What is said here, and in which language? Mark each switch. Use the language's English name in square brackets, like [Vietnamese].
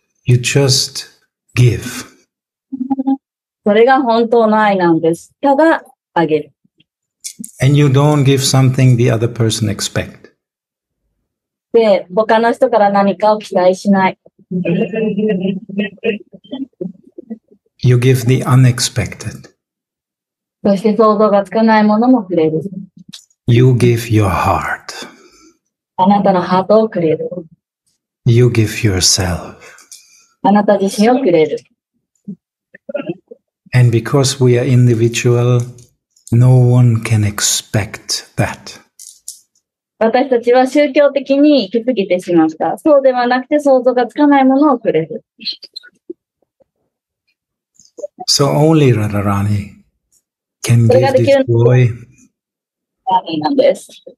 [English] You just give. [Japanese] それが本当の愛なんです。ただあげる。 [English] And you don't give something the other person expect. [Japanese] で、他の人から何かを期待しない。 [English] You give the unexpected. [Japanese] そして想像がつかないものもくれる。 [English] You give your heart. [Japanese] あなたのハートをくれる。 [English] You give yourself. [Japanese] あなた自身をくれる。 [English] And because we are individual, no one can expect that. [Japanese] 私たちは宗教的に行き過ぎてしまった。そうではなくて想像がつかないものをくれる。 [English] So only Radharani can give this boy. [Japanese] Radharani なんです。